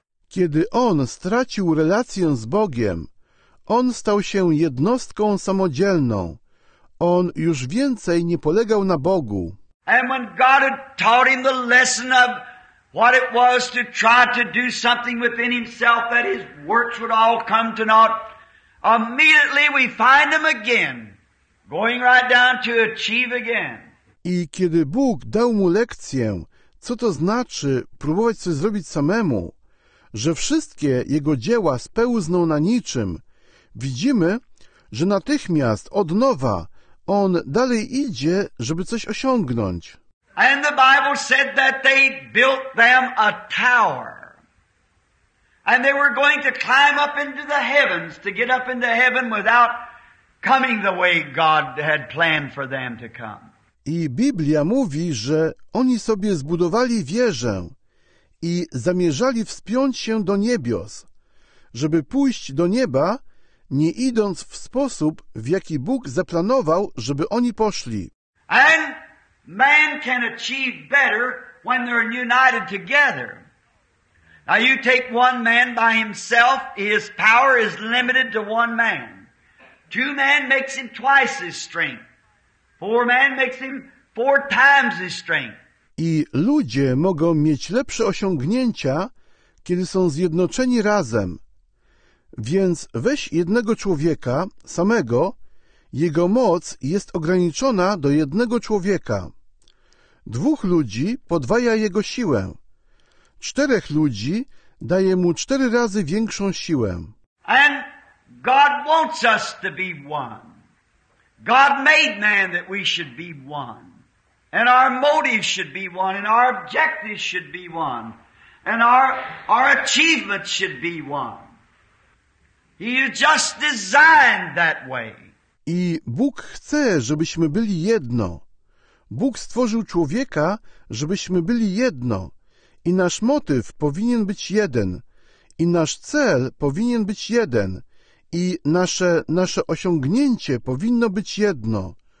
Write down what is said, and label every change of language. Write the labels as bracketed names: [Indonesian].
[Polish] Kiedy on stracił relację z Bogiem, on stał się jednostką samodzielną. On już więcej nie polegał na Bogu. [English] And when God had taught him the lesson of what it was to try to do something within himself that his works would all come to naught, immediately we find them again, going right down to achieve again. [Polish] I kiedy Bóg dał mu lekcję, co to znaczy próbować coś zrobić samemu, że wszystkie jego dzieła spełzną na niczym, widzimy, że natychmiast od nowa on dalej idzie, żeby coś osiągnąć. [English] And the Bible said that they built them a tower. And they were going to climb up into the heavens to get up into heaven without coming the way God had planned for them to come. [Polish] I Biblia mówi, że oni sobie zbudowali wieżę i zamierzali wspiąć się do niebios, żeby pójść do nieba, nie idąc w sposób, w jaki Bóg zaplanował, żeby oni poszli. [English] And man can achieve better when they're united together. Now you take one man by himself, his power is limited to one man. Two men makes him twice his strength. Four men makes him four times his strength. [Polish] I ludzie mogą mieć lepsze osiągnięcia, kiedy są zjednoczeni razem. Więc weź jednego człowieka, samego, jego moc jest ograniczona do jednego człowieka. Dwóch ludzi podwaja jego siłę. Czterech ludzi daje mu cztery razy większą siłę. [English] And God wants us to be one. God made man that we should be one. And our motives should be one. And our objectives should be one. And our achievements should be one. He just designed that way. [Polish] I Bóg chce, żebyśmy byli jedno. Bóg stworzył człowieka, żebyśmy byli jedno. I nasz motyw powinien być jeden, i nasz cel powinien być jeden, i nasze osiągnięcie powinno być jedno.